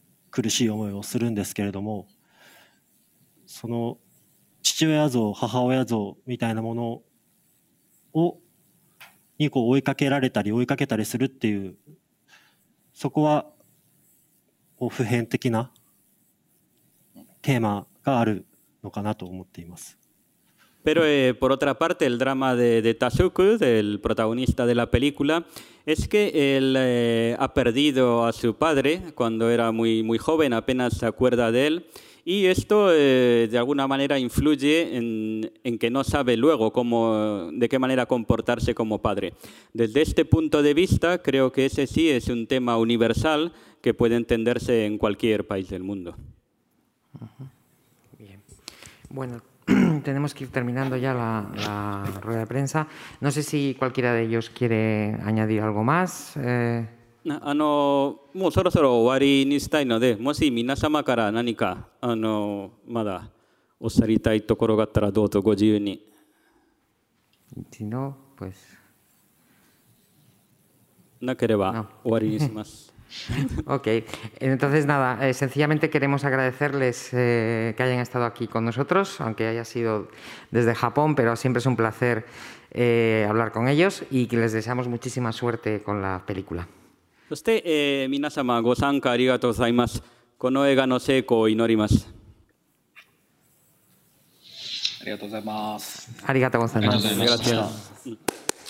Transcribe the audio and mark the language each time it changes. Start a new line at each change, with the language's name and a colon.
Japanese: 苦しい思いをするんですけれども、その父親像母親像みたいなものををにこう追いかけられたり追いかけたりするっていう、そこはこう普遍的なテーマがあるのかなと思っています。
Spanish: Pero por otra parte el drama de Tasuku, del protagonista de la película, es que él ha perdido a su padre cuando era muy muy joven, apenas se acuerda de él. Y esto de alguna manera influye en que no sabe luego cómo, de qué manera comportarse como padre. Desde este punto de vista, creo que ese sí es un tema universal que puede entenderse en cualquier país del mundo. Uh-huh. Bien. Bueno, tenemos que ir terminando ya la rueda de prensa. No sé si cualquiera de ellos quiere añadir algo más.
Japanese: もうそろそろ終わりにしたいので、もし皆様から何かまだおっしゃりたいところがあったらどうぞご自由に。
Spanish: Si no, pues...
Japanese: なければ終わりにします。
Spanish: Ok, entonces nada, sencillamente queremos agradecerles que hayan estado aquí con nosotros, aunque haya sido desde Japón, pero siempre es un placer hablar con ellos y que les deseamos muchísima suerte con la película.
Japanese: そして、皆様ご参加ありがとうございます。この映画の成功を祈ります。ありがとうございます。ありがとうございます。ありがとうございました。